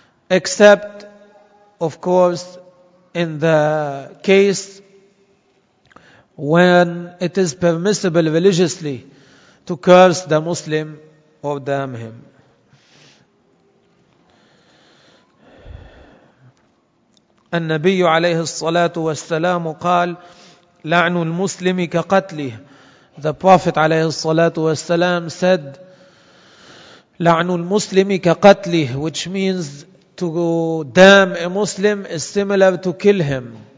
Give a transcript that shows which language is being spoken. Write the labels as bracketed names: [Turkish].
[English] Except, of course, in the case when it is permissible religiously to curse the Muslim or damn him. [Arabic] النبي عليه الصلاة والسلام قال لعن المسلم كقتله. [English] The Prophet [Arabic] عليه الصلاة والسلام [English] said [Arabic] لعن المسلم كقتله, [English] which means to damn a Muslim is similar to kill him.